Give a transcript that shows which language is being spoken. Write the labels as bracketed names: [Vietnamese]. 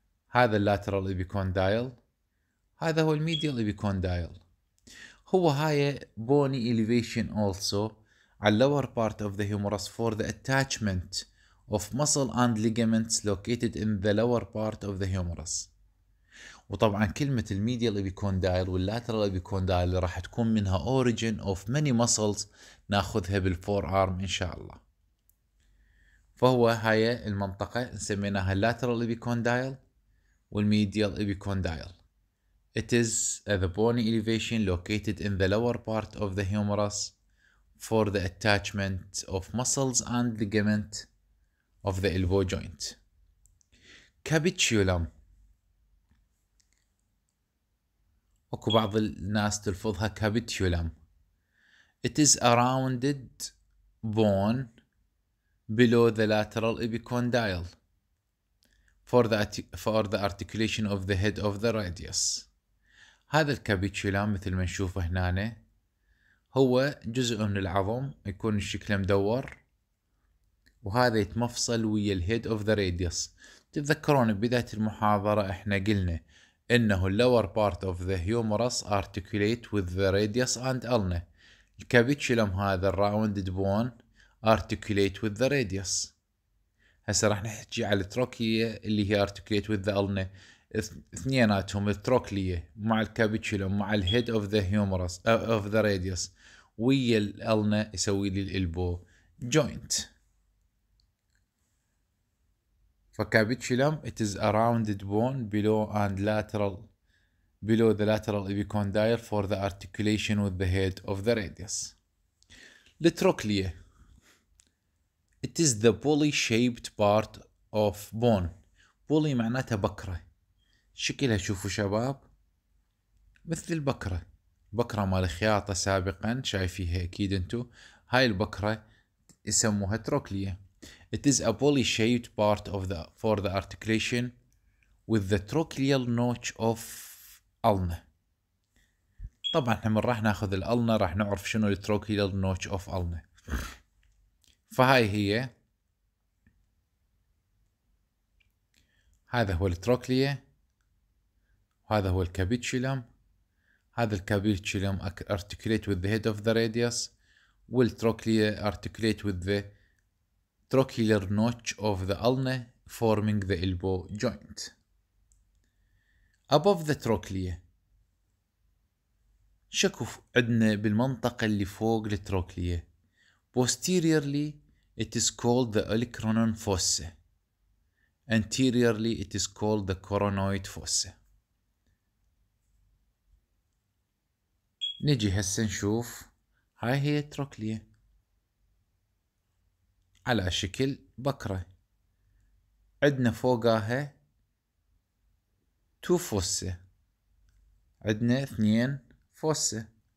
[Arabic] هذا [English] lateral epicondyle، [Arabic] هذا هو [English] medial epicondyle. [Arabic] هو هاي [English] bony elevation also [Arabic] على [English] lower part of the humerus for the attachment of muscle and ligaments located in the lower part of the humerus. [Arabic] وطبعا كلمة الميديال ابيكوندايل واللاترال ابيكوندايل راح تكون منها [English] origin of many muscles [Arabic] ناخذها بالفورارم ان شاء الله. فهو هاي المنطقة نسميناها اللاترال ابيكوندايل والميديال ابيكوندايل. [English] It is the bony elevation located in the lower part of the humerus for the attachment of muscles and ligament of the elbow joint. Capitulum. [Arabic] اكو بعض الناس تلفظها capitulum. [English] It is a rounded bone below the lateral epicondyle for the articulation of the head of the radius. [Arabic] هذا الكابيتشولام مثل ما نشوفه هنا هو جزء من العظم يكون شكله مدور، وهذا يتمفصل ويا [English] الهيد of the radius. [Arabic] تتذكرون بداية المحاضرة احنا قلنا انه [English] اللور part of the humerus articulate with the radius and ulna. الكابيتشولام [Arabic] هذا [English] الراوندد bone articulate with the radius. [Arabic] هسه راح نحكي على التروكية اللي هي [English] Articulate with the ulna. [Arabic] اثنيناتهم التروكلية مع الكابيتشولوم مع [English] الهيد of the humerus of the radius [Arabic] ويا الالنا يسوي لي [English] الالبو جوينت. فكابيتشولوم it is a rounded bone below and lateral below the lateral epicondyle for the articulation with the head of the radius. التروكلية it is the bully shaped part of bone. [Arabic] bully معناتها بكرة، شكلها شوفوا شباب مثل البكرة، بكرة مال خياطة سابقا شايفيها اكيد انتو. هاي البكرة يسموها تروكليا. [English] It is a bully shaped part of the for the articulation with the trochlear notch of ulna. [Arabic] طبعا احنا من راح ناخذ الالنا راح نعرف شنو [English] التروكليال notch of ulna. [Arabic] فهاي هي هذا هو التروكليا، هذا هو الكابيتشولام، هذا الكابيتشولام [English] articulate with the head of the radius، [Arabic] والتروكليا [English] articulate with the trochlear notch of the ulna forming the elbow joint. Above the trochlea [Arabic] شكو عندنا بالمنطقة اللي فوق التروكليا. [English] Posteriorly it is called the olecranon fossa. Anteriorly it is called the coronoid fossa. [Arabic] نجي هسه نشوف هاي هي التروكليا على شكل بكرة. عندنا فوقها [English] two fossa, [Arabic] عندنا اثنين فوسة.